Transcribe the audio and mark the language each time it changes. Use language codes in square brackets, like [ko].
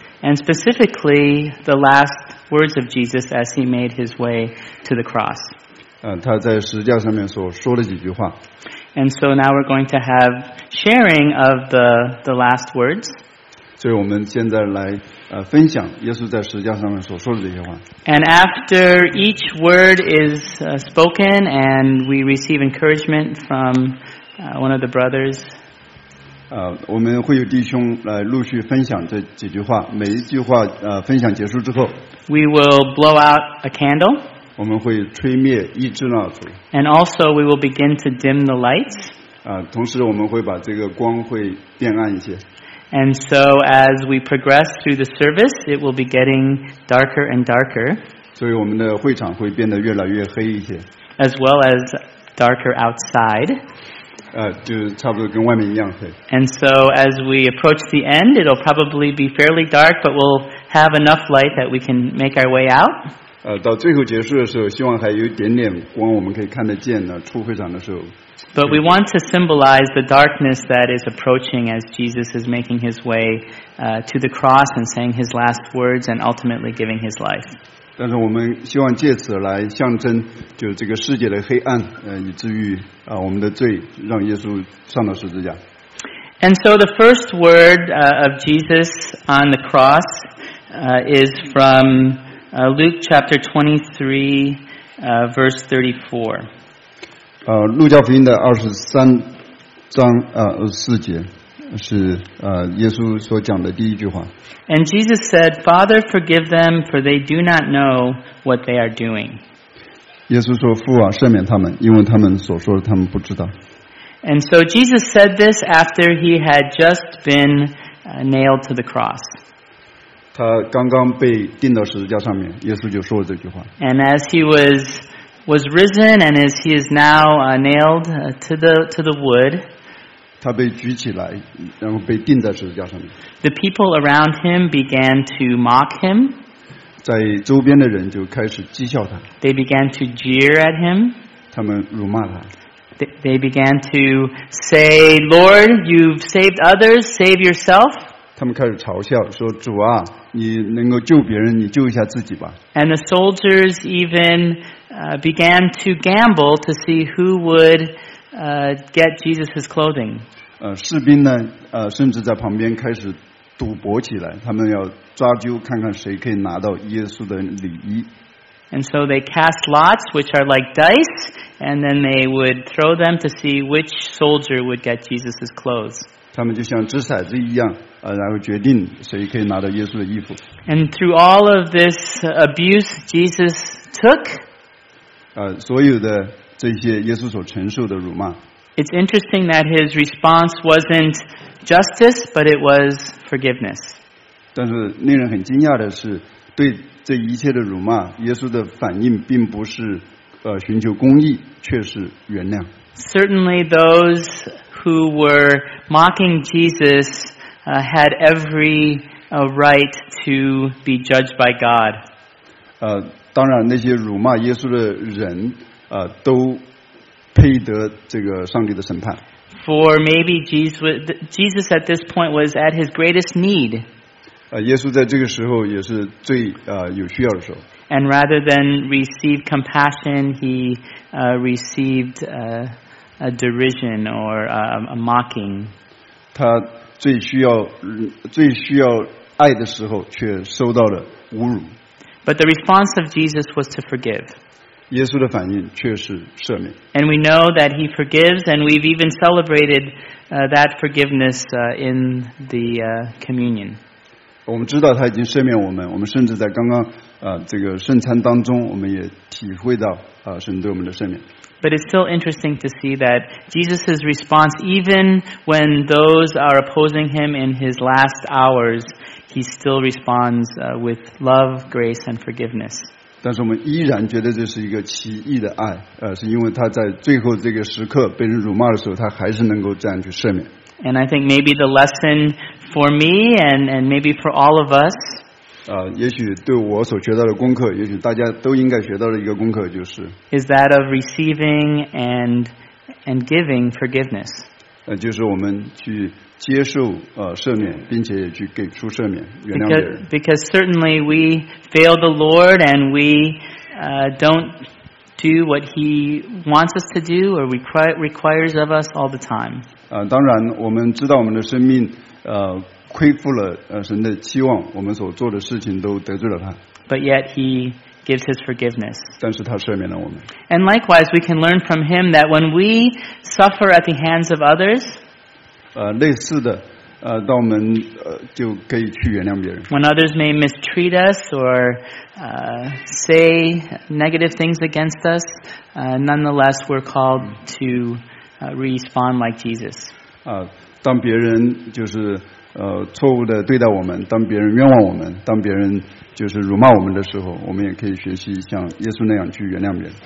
[en] and specifically the last words of Jesus as he made his way to the cross. [zh] 他在十字架上面所说的几句话。 [en] And so now we're going to have sharing of the last words. [zh] 所以我们现在来分享耶稣在十字架上面所说的这些话。 [en] And after each word is spoken and we receive encouragement from one of the brothers, [zh] 我们会有弟兄来陆续分享这几句话，每一句话分享结束之后， [en] we will blow out a candle. [zh] 我们会吹灭一支蜡烛。 [en] And also we will begin to dim the lights. [zh] 同时我们会把这个光会变暗一些。 [en] And so as we progress through the service, it will be getting darker and darker. [zh] 所以我们的会场会变得越来越黑一些。 [en] As well as darker outside. [zh] 就差不多跟外面一样黑。 [en] And so as we approach the end, it'll probably be fairly dark, but we'll have enough light that we can make our way out. [zh] 到最后结束的时候，希望还有一点点光，我们可以看得见呢。出会场的时候 [en] ，But we want to symbolize the darkness that is approaching as Jesus is making his way to the cross and saying his last words and ultimately giving his life. [zh] 但是我们希望借此来象征，就是这个世界的黑暗，以至于我们的罪，让耶稣上了十字架。 [en] And so the first word of Jesus on the cross is from. Luke chapter 23, verse 34. [zh] 路加福音的二十三章四节是耶稣所讲的第一句话。 [en] And Jesus said, "Father, forgive them, for they do not know what they are doing." [zh] 耶稣说，父啊，赦免他们，因为他们所说的他们不知道。 [en] And so Jesus said this after he had just been nailed to the cross. [zh] 他刚刚被钉到十字架上面，耶稣就说了这句话。 [en] And as he was risen, and as he is now nailed to the wood, [zh] 他被举起来，然后被钉在十字架上面。 [en] The people around him began to mock him. [zh] 在周边的人就开始讥笑他。 [en] They began to jeer at him. [zh] 他们辱骂他。 [en] They began to say, "Lord, you've saved others. Save yourself." [zh] 他们开始嘲笑，说：“主啊，你能够救别人，你救一下自己吧。” [en] And the soldiers even began to gamble to see who would get Jesus's clothing. [zh] 士兵呢，甚至在旁边开始赌博起来，他们要抓阄，看看谁可以拿到耶稣的礼衣。 [en] And so they cast lots, which are like dice, and then they would throw them to see which soldier would get Jesus's clothes. [zh] 他们就像掷骰子一样。然后决定谁可以拿到耶稣的衣服。 [en] And through all of this abuse Jesus took, [zh] 所有的这些耶稣所承受的辱骂。 [en] It's interesting that his response wasn't justice, but it was forgiveness. [zh] 但是令人很惊讶的是，对这一切的辱骂，耶稣的反应并不是寻求公义，却是原谅。 [en] Certainly those who were mocking Jesus. Had every right to be judged by God. [zh] 当然那些辱骂耶稣的人都配得这个上帝的审判。 [en] For maybe Jesus at this point was at his greatest need. [zh] 耶稣在这个时候也是最有需要的时候。 [en] And rather than receive compassion, he received a derision or a mocking. [zh] 他最需要爱的时候却收到了侮辱。 [en] But the response of Jesus was to forgive. [zh] 耶稣的反应却是赦免。 [en] And we know that he forgives, and we've even celebrated that forgiveness in the communion. [zh] 我们知道他已经赦免我们，我们甚至在刚刚这个圣餐当中，我们也体会到神对我们的赦免。 [en] But it's still interesting to see that Jesus' response, even when those are opposing him in his last hours, he still responds with love, grace, and forgiveness. [zh] 但是我们依然觉得这是一个奇异的爱，是因为他在最后这个时刻被人辱骂的时候，他还是能够这样去赦免。 [en] And I think maybe the lesson for me and maybe for all of us, [zh] 也许对我所学到的功课，也许大家都应该学到的一个功课就是 [en] is that of receiving and giving forgiveness. [zh] 就是我们去接受赦免，并且也去给出赦免，原谅别人。 [en] Because certainly we fail the Lord and we don't do what He wants us to do or requires of us all the time. [zh] 当然，我们知道我们的生命亏负了神的期望，我们所做的事情都得罪了他。 [en] But yet He gives His forgiveness. [zh] 但是他赦免了我们。 [en] And likewise, we can learn from Him that when we suffer at the hands of others. [zh] 类似的，当我们就可以去原谅别人。 [en] When others may mistreat us or say negative things against us, nonetheless, we're called to respond like Jesus. [zh] 当别人就是错误的对待我们，当别人冤枉我们，当别人就是辱骂我们的时候，我们也可以学习像耶稣那样去原谅别人。